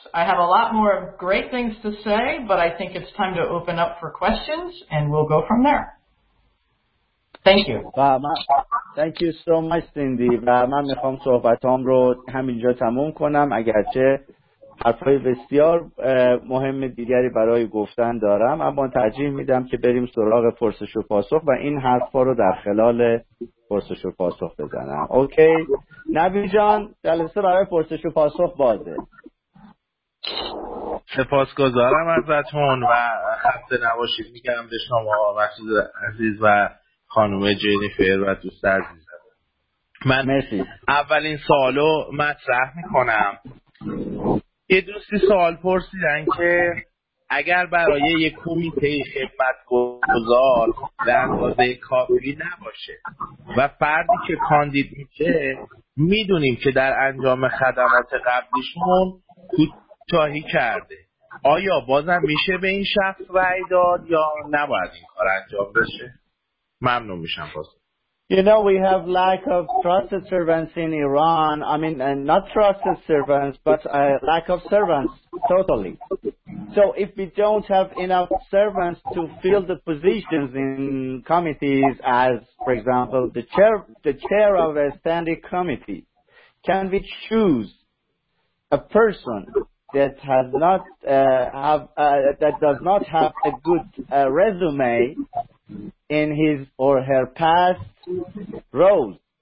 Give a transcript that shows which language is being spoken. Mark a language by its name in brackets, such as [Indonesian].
[English] I have a lot more great things to say, but I think it's time to open up for questions and we'll go from there. Thank you. Thank you so much, Cindy. [Persian] و من میخوام صحبتام رو همینجا تموم کنم اگرچه حرفای بسیار مهم دیگری برای گفتن دارم اما ترجیح میدم که بریم سراغ پرسش و پاسخ و این حرفا رو در خلال پرسش و پاسخ بزنم. اوکی نبی جان جلسه برای پرسش و پاسخ بازه. سپاسگزارم ازتون و خسته نباشید میگم به شما مسعود عزیز و خانم جنیفر و دوست عزیز. من مرسی. اولین سوالو مطرح میکنم. یه دوستی سوال پرسیدن که اگر برای یک کمیته خدمتگزار در اندازه کافی نباشه و فردی که کاندید میشه میدونیم که در انجام خدمات قبلیشون کوتاهی کرده، آیا بازم میشه به این شخص رأی داد یا نباید این کار انجام بشه؟ ممنون میشم بازم. [English] You know, we have lack of trusted servants in Iran. I mean, not trusted servants, but lack of servants, totally. So if we don't have enough servants to fill the positions in committees, as, for example, the chair of a standing committee, can we choose a person that has not that does not have a good resume in his or her past roles?